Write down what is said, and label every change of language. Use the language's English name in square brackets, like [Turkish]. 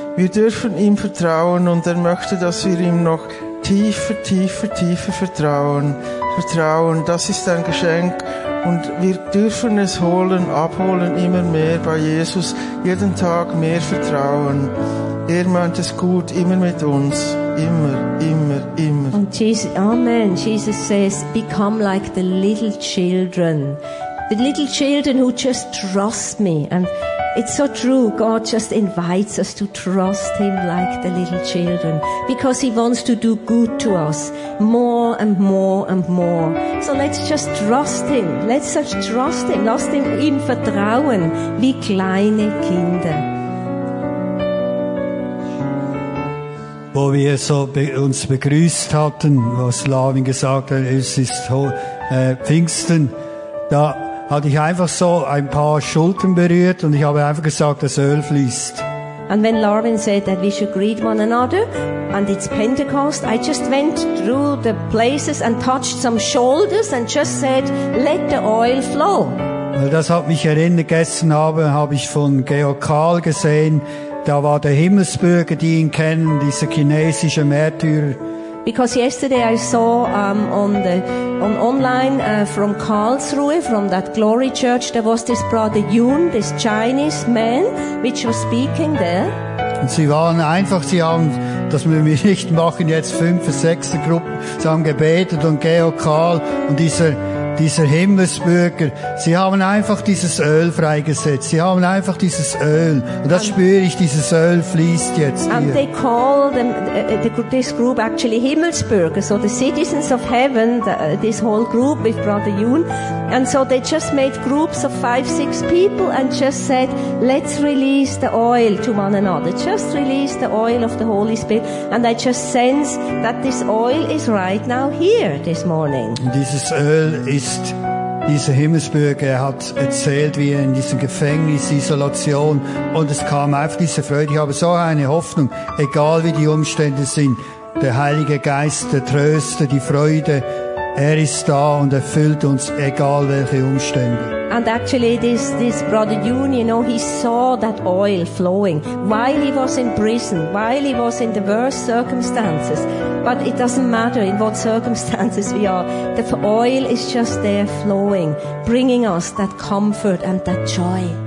[German] Wir dürfen ihm vertrauen und er möchte, dass wir ihm noch tiefer, tiefer, tiefer vertrauen. Vertrauen, das ist ein Geschenk und wir dürfen es holen, abholen, immer mehr bei Jesus, jeden Tag mehr vertrauen. Er meint es gut, immer mit uns, immer, immer, immer. [English] Und Jesus, Amen, Jesus says, become like the little children who just trust me. And it's so true, God just invites us to trust him like the little children, because he wants to do good to us, more and more and more. So let's just trust him, let's just trust him, [German] lasst ihm vertrauen, wie kleine Kinder. Wo wir so uns begrüßt hatten, was Lavin gesagt hat, es ist Pfingsten, da hatte ich einfach so ein paar Schultern berührt und ich habe einfach gesagt, das Öl fließt. [English] And when Lavin said that we should greet one another and it's Pentecost, I just went through the places and touched some shoulders and just said, let the oil flow. [German] Weil das hat mich erinnert, gestern Abend habe ich von Georg Karl gesehen, da war der Himmelsbürger, die ihn kennen, dieser chinesische Märtyrer. [English] Because yesterday I saw online from Karlsruhe, from that Glory Church, there was this brother Yun, this Chinese man, which was speaking there. [German] Und sie waren einfach, sie haben, das müssen wir nicht machen, jetzt 5., 6. Gruppe, sie haben gebetet und Georg Karl und dieser Himmelsbürger, sie haben einfach dieses Öl freigesetzt. Sie haben einfach dieses Öl. Und das spüre ich, dieses Öl fließt jetzt hier. [English] And they call them, this group actually Himmelsbürger. So the citizens of heaven, this whole group with Brother Yun. And so they just made groups of 5-6 people and just said, let's release the oil to one another. Just release the oil of the Holy Spirit. And I just sense that this oil is right now here this morning. [German] Und dieses Öl ist dieser Himmelsbürger, er hat erzählt, wie er in diesem Gefängnis, Isolation, und es kam einfach diese Freude. Ich habe so eine Hoffnung, egal wie die Umstände sind, der Heilige Geist, der Tröster, die Freude, er ist da und erfüllt uns, egal welche Umstände. [English] And actually this brother Yun, you know, he saw that oil flowing while he was in prison, while he was in the worst circumstances. But it doesn't matter in what circumstances we are. The oil is just there flowing, bringing us that comfort and that joy.